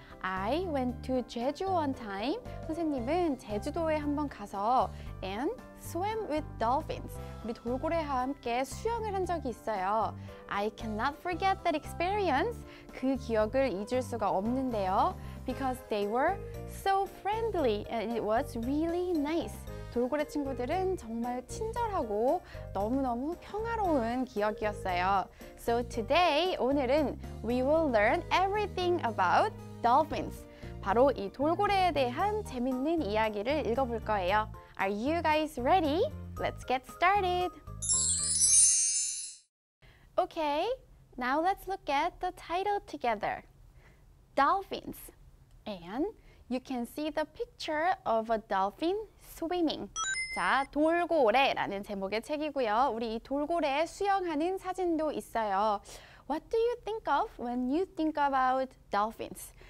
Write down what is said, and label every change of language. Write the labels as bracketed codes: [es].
[en] I went to Jeju one time. [ko] 선생님은 제주도에 한번 가서 [en] and swam with dolphins. [ko] 우리 돌고래와 함께 수영을 한 적이 있어요. [en] I cannot forget that experience. [ko] 그 기억을 잊을 수가 없는데요. [en] Because they were so friendly and it was really nice. [ko] 돌고래 친구들은 정말 친절하고 너무너무 평화로운 기억이었어요. [en] So today, [ko] 오늘은 [en] we will learn everything about dolphins. [ko] 바로 이 돌고래에 대한 재밌는 이야기를 읽어볼 거예요. [en] Are you guys ready? Let's get started. Okay, now let's look at the title together. Dolphins. And you can see the picture of a dolphin swimming. [ko] 자, 돌고래라는 제목의 책이고요. 우리 이 돌고래 수영하는 사진도 있어요. [en] What do you think of when you think about dolphins?